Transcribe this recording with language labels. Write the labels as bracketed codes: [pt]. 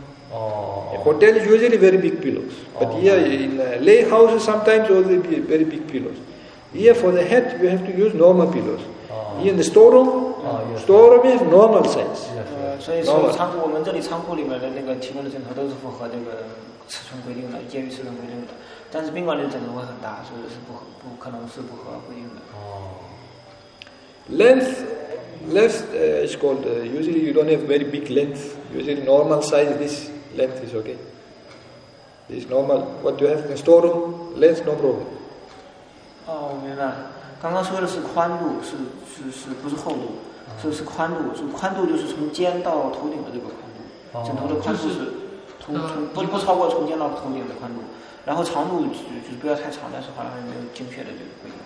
[en] Hotel is usually very big pillows, but here in lay houses sometimes also be very big pillows. Here for the head you have to use normal pillows. Here in the storeroom you have normal size. [zh] 所以说仓库我们这里仓库里面的那个提供的枕头都是符合这个尺寸规定的，介于尺寸规定的。但是宾馆里的枕头会很大，所以是不可能是不合规定的。 [en] Length is called usually you don't have very big length. Usually normal size this. Length is okay. This is normal. What you have in storeroom, length no problem. [zh] 我明白了。刚刚说的是宽度，是不是厚度？是宽度，是宽度就是从肩到头顶的这个宽度。枕头的宽度是不超过从肩到头顶的宽度。然后长度就不要太长，但是好像没有精确的这个规定。